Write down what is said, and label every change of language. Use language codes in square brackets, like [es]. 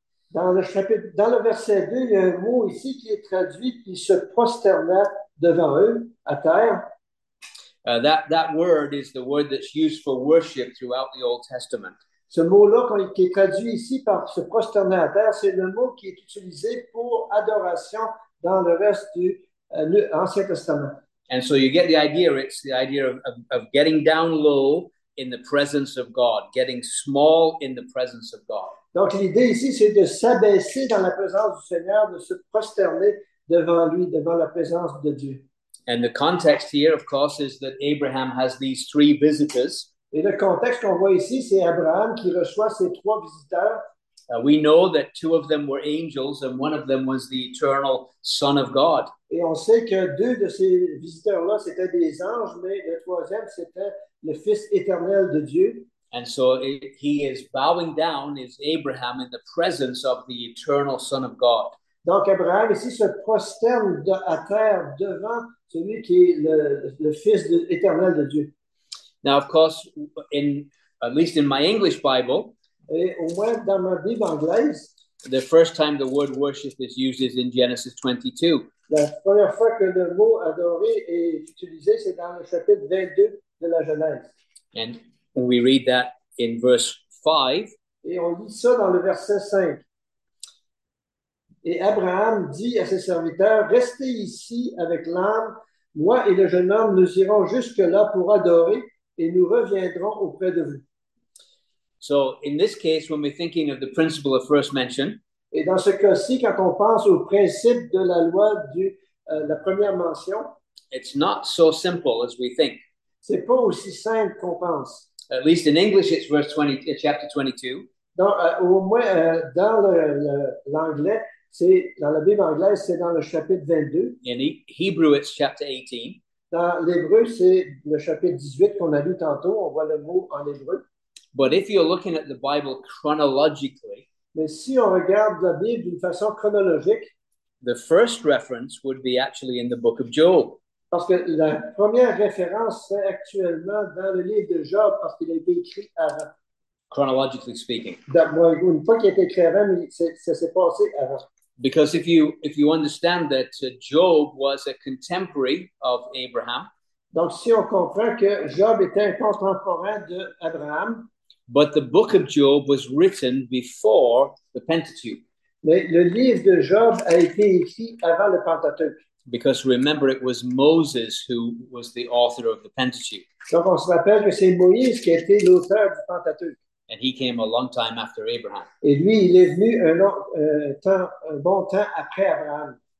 [fr] Dans le verset 2, il y a un mot ici qui est traduit, il se prosterna devant eux, à terre. [en] That word is the word that's used for worship throughout the Old Testament. [fr] Ce mot-là qui est traduit ici par se prosterner à terre, c'est le mot qui est utilisé pour adoration dans le reste du Ancien Testament. [en] And so you get the idea. It's the idea of getting down low in the presence of God, getting small in the presence of God. [fr] Donc l'idée ici, c'est de s'abaisser dans la présence du Seigneur, de se prosterner devant lui, devant la présence de Dieu. [en] And the context here, of course, is that Abraham has these three visitors. [fr] Et le contexte qu'on voit ici, c'est Abraham qui reçoit ces trois visiteurs. [en] We know that two of them were angels and one of them was the eternal Son of God. [fr] Et on sait que deux de ces visiteurs-là, c'était des anges, mais le troisième, c'était le Fils éternel de Dieu. [en] And so he is bowing down, is Abraham, in the presence of the eternal Son of God. [fr] Donc Abraham ici se prosterne à terre devant celui qui est le Fils éternel de Dieu. [en] Now, of course, at least in my English Bible, [fr] et au moins dans ma Bible anglaise, [en] The first time the word worship is used is in Genesis 22. [fr] La première fois que le mot adorer est utilisé, c'est dans le chapitre 22 de la Genèse. [en] And we read that in verse 5. [fr] Et on lit ça dans le verset 5. Et Abraham dit à ses serviteurs, « Restez ici avec l'âne. Moi et le jeune homme, nous irons jusque-là pour adorer et nous reviendrons auprès de vous. » [en] So, in this case, when we're thinking of the principle of first mention, [fr] et dans ce cas-ci, quand on pense au principe de la loi de la première mention, [en] it's not so simple as we think. [fr] C'est pas aussi simple qu'on pense. [en] At least in English, it's verse 20, chapter 22. [fr] Dans, au moins, dans l'anglais, c'est dans la Bible anglaise, c'est dans le chapitre 22. [en] In Hebrew, it's chapter 18. [fr] Dans l'hébreu, c'est le chapitre 18 qu'on a lu tantôt. On voit le mot en hébreu. [en] But if you're looking at the Bible chronologically, [fr] mais si on regarde la Bible d'une façon chronologique, [en] the first reference would be actually in the book of Job. [fr] Parce que la première référence c'est actuellement dans le livre de Job parce qu'il a été écrit avant. [en] Chronologically speaking. [fr] Une fois qu'il a été écrit avant, mais ça s'est passé avant. [en] Because if you understand that Job was a contemporary of Abraham. [fr] Donc si on comprend que Job était un contemporain de Abraham. [en] But the book of Job was written before the Pentateuch. [fr] Mais le livre de Job a été écrit avant le Pentateuch. [en] Because remember, it was Moses who was the author of the Pentateuch. [fr] Donc on se rappelle que c'est Moïse qui a été l'auteur du Pentateuch. [en] And he came a long time after Abraham. [fr] Et lui, il est venu un bon temps après Abraham.